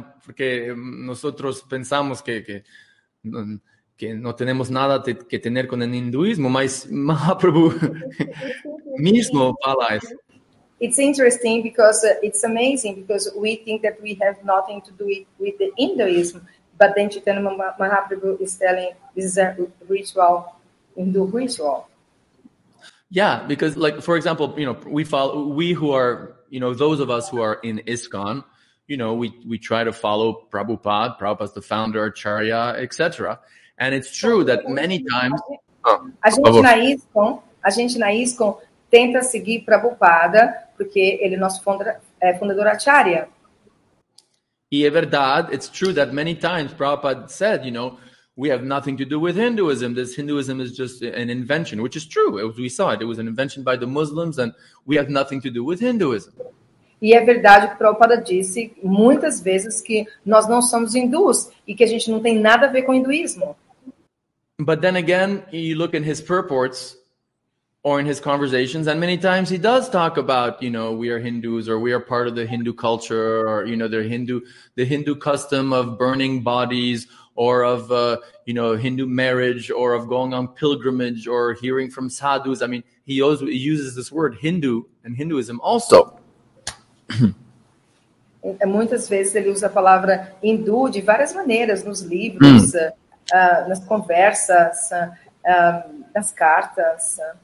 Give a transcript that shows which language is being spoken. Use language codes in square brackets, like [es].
[pt] Porque nós pensamos que não temos nada que ter com o hinduísmo, mas Mahaprabhu mesmo fala isso. [en] It's interesting because it's amazing because we think that we have nothing to do with the Hinduism, but then Chaitanya Mahaprabhu is telling this is a ritual, Hindu ritual. Yeah, because like, for example, you know, those of us who are in ISKCON, you know, we try to follow Prabhupada's the founder, Acharya, etc. And it's true that many times... [pt] A gente na ISKCON tenta seguir Prabhupada, porque ele é nosso fundador, Acharya. E é verdade, [en] it's true that many times Prabhupada said, you know, we have nothing to do with Hinduism. This Hinduism is just an invention, which is true. We saw it. It was an invention by the Muslims, and we have nothing to do with Hinduism. [pt] E é verdade que Prabhupada disse muitas vezes que nós não somos hindus e que a gente não tem nada a ver com o hinduísmo. [en] But then again, you look in his purports or in his conversations, and many times he does talk about, you know, we are Hindus or we are part of the Hindu culture or, you know, the Hindu custom of burning bodies or of, you know, Hindu marriage, or of going on pilgrimage, or hearing from sadhus. I mean, he always uses this word Hindu and Hinduism also. [pt] Muitas vezes ele usa a palavra Hindu de várias maneiras, nos livros, nas conversas, nas cartas.